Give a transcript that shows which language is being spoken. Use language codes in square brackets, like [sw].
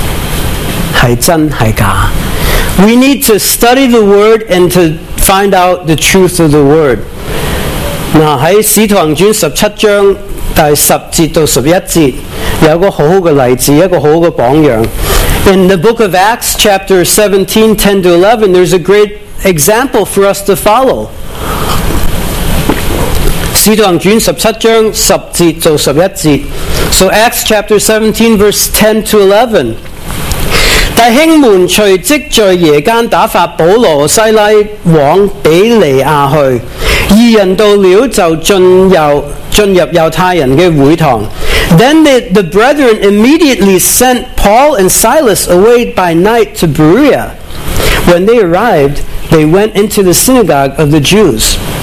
[zh] 我们一定要研究圣经，查考是真是假。 [en] We need to study the word and to find out the truth of the word. [zh] 在《使徒行传》17章第10节到11节，有一个好好的例子，一个好好的榜样。 [en] In the book of Acts, chapter 17, 10 to 11, there's a great example for us to follow. [zh] 使徒行传17章10节到11节. [en] So Acts chapter 17, verse 10 to 11. [zh] 大兄们随即在夜间打发保罗、西拉往比利亚去，二人到了就进入犹太人的会堂。 [en] Then the brethren immediately sent Paul and Silas away by night to Berea. When they arrived, they went into the synagogue of the Jews.